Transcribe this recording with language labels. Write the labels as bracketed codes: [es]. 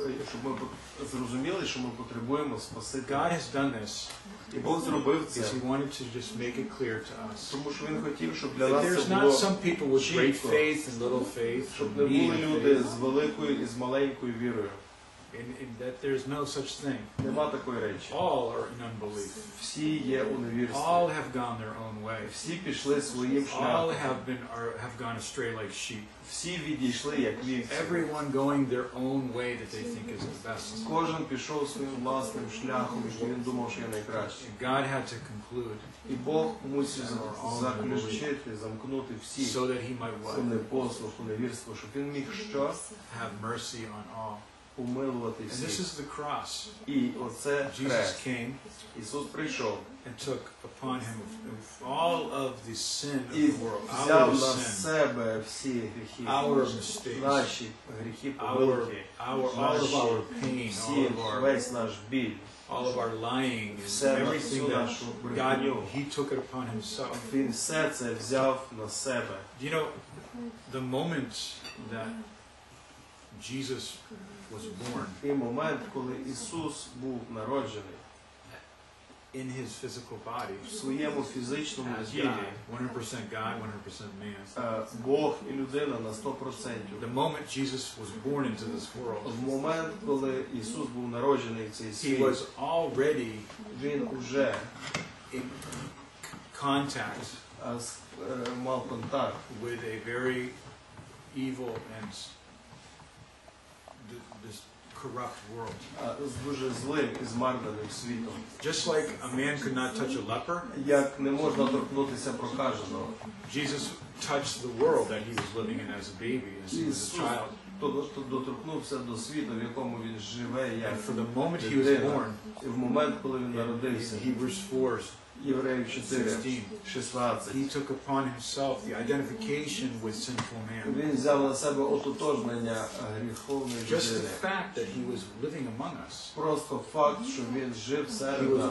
[uk] Щоб ми зрозуміли, що ми потребуємо спасити. [en] God has done this. [uk] І Бог зробив це. [en] He wanted to just make it clear to us. [uk] Тому що він хотів, щоб для нас [en] there's [uk] було [en] not some people with great faith and little faith, [uk] щоб не були люди з великою і з маленькою вірою. [en] And that there's no such thing. [uk] Нема такої речі. [en] All are in unbelief. [uk] Всі є у невірстві. [en] All have gone their own way. [uk] Всі пішли своїм шляхом. [en] All have gone astray like sheep. [uk] Всі відійшли як вівці. [en] Everyone going their own way that they think is the best. [uk] Кожен пішов своїм власним шляхом, що він думав, що є найкращим. [en] God had to conclude. [uk] І Бог мусив заключити, замкнути всі. [en] So that he might what? [uk] Сумний послух у невірство, щоб він міг що? [en] Have mercy on all. [uk] Умилувати всіх. [en] And this is the cross. [uk] І оце [en] Jesus came. [uk] Ісус прийшов. [en] And took upon him all of the sin of the world. [uk] І взяв на себе всі гріхи. [en] Our mistakes. [uk] Наші гріхи помилки. [en] Our pain. [uk] Всі, весь наш біль. [en] All of our lying. [uk] Все наше брехання. [en] He took it upon himself. [uk] Він все це взяв на себе. [en] You know, the moment that Jesus was born. [uk] В момент, коли Ісус був народжений, [en] in his physical body, [uk] в своєму фізичному тілі, [en] 100% God, 100% man. [uk] Бог і людина на 100%. [en] The moment Jesus was born into this world. [uk] В момент, коли Ісус був народжений в цей світ, [en] he was already, [uk] він уже [en] in contact, [uk] мав контакт [en] with a very evil and this corrupt world. [uk] З дуже злим і змарненим світом. [en] Just like a man could not touch a leper, [uk] як не можна торкнутися прокаженого. [en] Jesus touched the world that he was living in as a baby, as a child. [uk] То доторкнувся до світу, в якому він живе, як [en] for the moment he was born, [uk] в момент, коли він народився. [en] Hebrews 4, [uk] Євреїв 4:16. [en] He took upon himself the identification with sinful man. [uk] Він взяв на себе ототожнення гріховної людини. [en] Just the fact that he was living among us. [uk] Просто факт, що він жив серед нас.